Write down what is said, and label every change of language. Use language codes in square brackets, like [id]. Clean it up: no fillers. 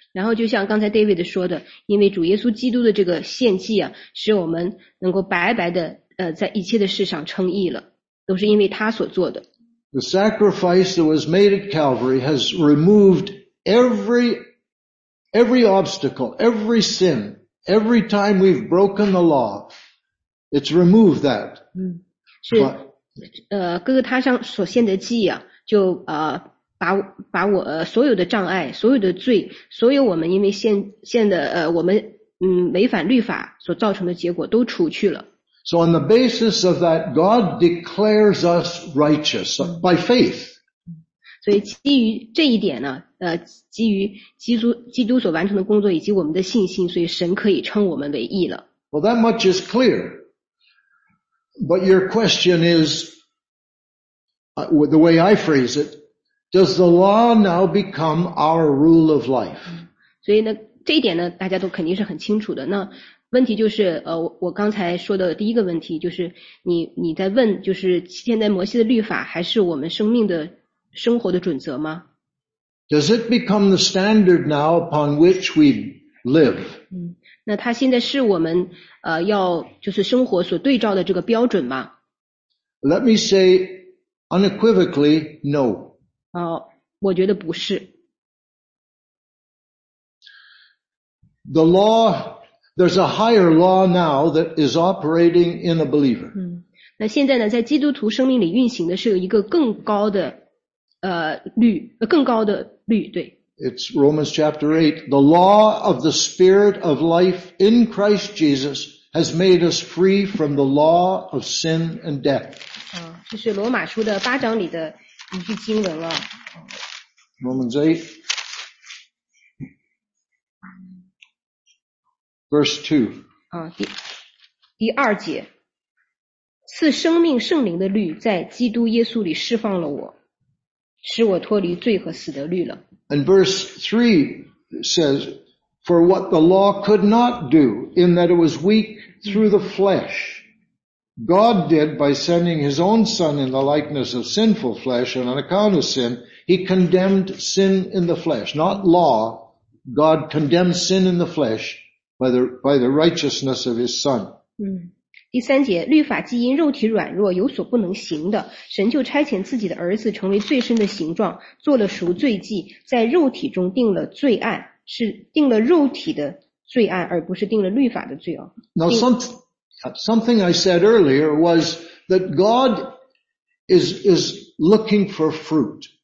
[zh] 然后就像刚才 David 说的，因为主耶稣基督的这个献祭啊，使我们能够白白的在一切的事上称义了，都是因为他所做的。 [en] The sacrifice that was made at Calvary has removed every obstacle, every sin, every time we've broken the law. It's removed that. [zh] 是哥哥他上所献的祭啊，就把我所有的障碍，所有的罪，所有我们因为献的我们违反律法所造成的结果都除去了。 [en] So on the basis of that, God declares us righteous by faith. [zh] 所以基于这一点呢，基于基督所完成的工作以及我们的信心，所以神可以称我们为义了。 [en] Well, that much is clear. But your question is, the way I phrase it, does the law now become our rule of life? [zh] 所以呢，这一点呢，大家都肯定是很清楚的。那问题就是我刚才说的第一个问题就是你在问，就是现在摩西的律法还是我们生命的生活的准则吗？ [en] Does it become the standard now upon which we live? [zh] 那它现在是我们要就是生活所对照的这个标准吗？ [en] Let me say unequivocally no. [zh] 我觉得不是。 [en] The law,There's a higher law now that is operating in a believer. [zh] 那现在呢，在基督徒生命里运行的是有一个更高的律，更高的律，对。 [en] It's Romans chapter 8. The law of the spirit of life in Christ Jesus has made us free from the law of sin and death. [zh] 这是罗马书的八章里的一句经文了。 [en] Romans 8. Verse 2. [zh] 第二节，赐生命圣灵的律在基督耶稣里释放了我，使我脱离罪和死的律了。 [en] And verse 3 says, For what the law could not do, in that it was weak through the flesh, God did by sending his own son in the likeness of sinful flesh, and on account of sin, he condemned sin in the flesh. Not law, God condemned sin in the flesh,by the righteousness of his son. [zh] 第三节，律法既因肉体软弱有所不能行的，神就差遣自己的儿子成为罪身的形状，做了赎罪祭，在肉体中定了罪案，是定了肉体的罪案，而不是定了律法的罪哦。 [en] Now something I said earlier was that God is looking for fruit.